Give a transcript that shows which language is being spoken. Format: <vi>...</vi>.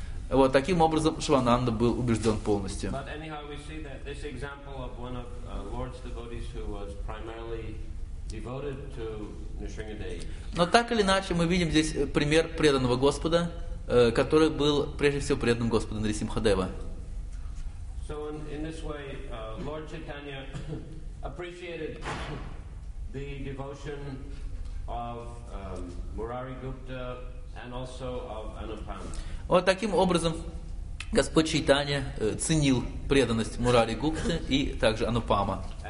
<ru>Вот таким образом Шивананда был убежден полностью.</ru> <en>But anyhow, we see that this example of one of Lord's devotees who was primarily devoted to Nrisimhadeva.</en> <ru>Но так или иначе мы видим здесь пример преданного Господа, который был прежде всего преданным Господом Нарисимхадева.</ru> <en>So in this way, Lord Chaitanya appreciated the devotion of Murari Gupta and also of Anupama.</en> <ru>Вот таким образом Господь Чайтанья ценил преданность Мурари Гупты и также Анупама.</ru>